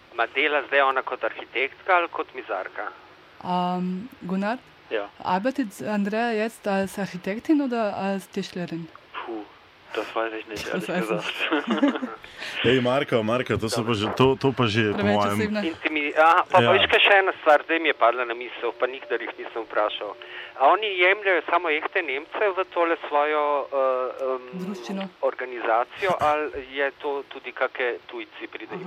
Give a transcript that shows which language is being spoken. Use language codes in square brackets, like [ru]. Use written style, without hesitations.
[sl] Ma dela zdaj ona kot arhitektka ali kot mizarka? Gunnar? Ja. [de] Arbeitet Andreja jetzt als Architektin oder als Tischlerin? Puh, Das weiß ich nicht, ehrlich gesagt. [sl] Ej, Marko, to, so pa že, to pa že po mojem... Pa viška še ena stvar, zdaj mi je padla na misel, pa nikdar jih nisem vprašal. A oni jemljajo samo ehte Nemce v tole svojo organizacijo, ali je to tudi kake tujci pride?